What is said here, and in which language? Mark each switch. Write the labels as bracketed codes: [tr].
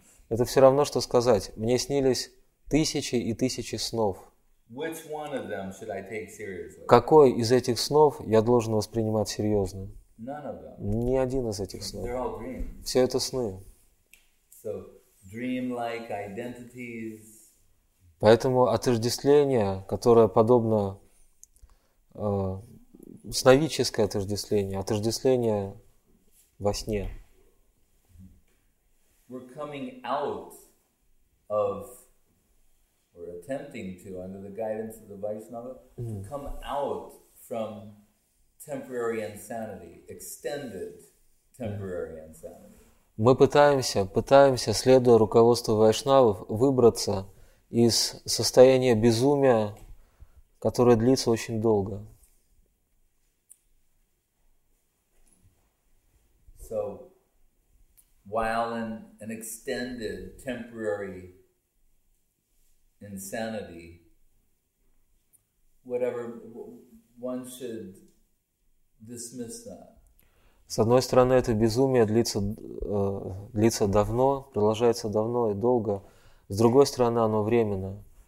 [ru] Это все равно, что сказать. Мне снились тысячи и тысячи снов. [en] Which one of them should I take seriously? [ru] Какой из этих снов я должен воспринимать серьезно? [en] None of them. [ru] Ни один из этих снов. [en] They're all dreams. [ru] Все это сны. [en] So, dream-like identities. [ru] Поэтому отождествление, которое подобно сновидческое отождествление во сне. [en] We're coming out of We're attempting to, under the guidance of the Vaishnava, come out from temporary insanity, extended temporary insanity. [ru] Мы пытаемся, следуя руководству вайшнавов, выбраться из состояния безумия, которое длится очень долго. [en] So, while in an extended temporary insanity, whatever, one should dismiss that. [ru] С одной стороны, это безумие длится, длится давно, продолжается давно и долго. С другой стороны, оно временно.